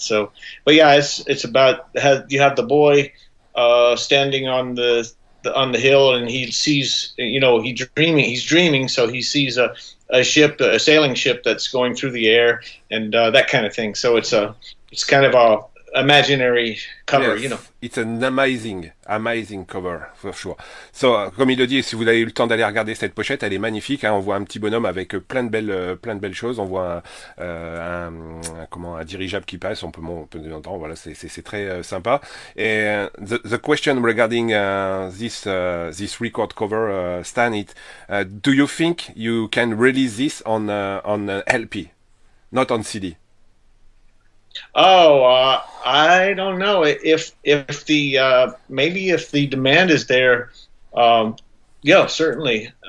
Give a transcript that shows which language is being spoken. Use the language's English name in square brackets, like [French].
[English] So, but yeah, it's about you have the boy standing on the hill, and he sees, he's dreaming, so he sees a sailing ship that's going through the air, and that kind of thing. So it's kind of a imaginary cover, Yes, it's an amazing, amazing cover, for sure. [French] So, comme il le dit, si vous avez eu le temps d'aller regarder cette pochette, elle est magnifique. Hein, on voit un petit bonhomme avec plein de belles choses. On voit un dirigeable qui passe. On peut l'entendre. Voilà, c'est très sympa. [English] Et the question regarding this record cover, Stan, do you think you can release this on LP, not on CD? I don't know if the maybe if the demand is there, certainly